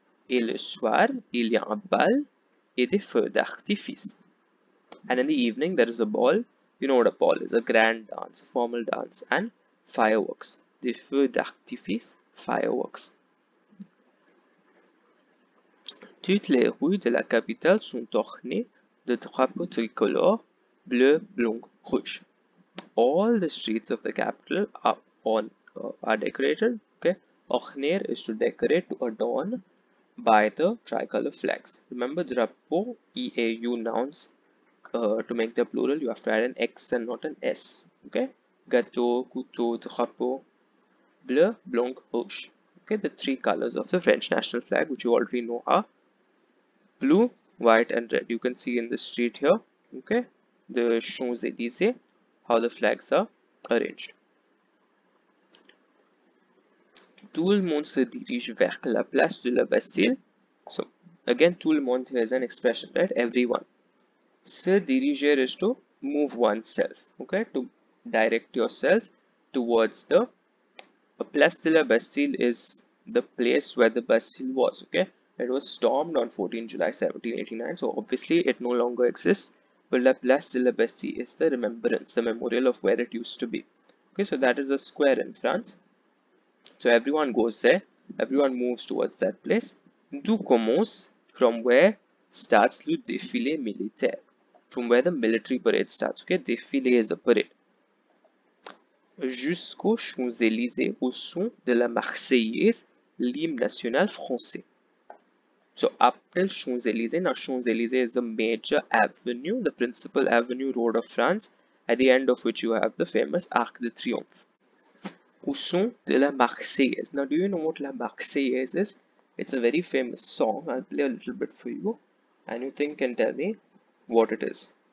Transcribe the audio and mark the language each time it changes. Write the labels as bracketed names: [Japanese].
[French] Et le soir, il y a un bal et des feux d'artifice. [English] And in the evening, there is a ball. You know what a ball is? A grand dance, a formal dance, and fireworks. [French] Des feux d'artifice, fireworks. Toutes les rues de la capitale sont ornées de drapeaux tricolores. Bleu, blanc, rouge. [English] All the streets of the capital are decorated. Okay, ornir is to decorate, to adorn by the tricolor flags. Remember, drapeau, E-A-U nouns, to make the plural, you have to add an X and not an S. Okay, gâteau, couteau, drapeau, bleu, blanc, rouge. Okay, the three colors of the French national flag, which you already know, are blue, white, and red. You can see in the street here. Okay, the Champs-Élysées, how the flags are arranged. [French] Tout le monde se dirige vers la place de la Bastille. [English] So, again, [French] tout le monde [English] is an expression, right? Everyone. Se diriger is to move oneself, okay? To direct yourself towards the Place de la Bastille is the place where the Bastille was, okay? It was stormed on 14 July 1789, so obviously it no longer exists. But La Place de la Bastille is the remembrance, the memorial of where it used to be. Okay, so that is a square in France. So everyone goes there, everyone moves towards that place. [French] D'où commence, [English] from where starts [French] le défilé militaire, [English] from where the military parade starts. Okay, défilé is a parade. [French] Jusqu'aux Champs-Élysées, au son de la Marseillaise, l'hymne national français. [English] So, up till Champs-Élysées, now Champs-Élysées is the major avenue, the principal avenue road of France, at the end of which you have the famous Arc de Triomphe. [French] Au son de la Marseillaise. [English] Now, do you know what la Marseillaise is? It's a very famous song. I'll play a little bit for you, and you think and tell me what it is.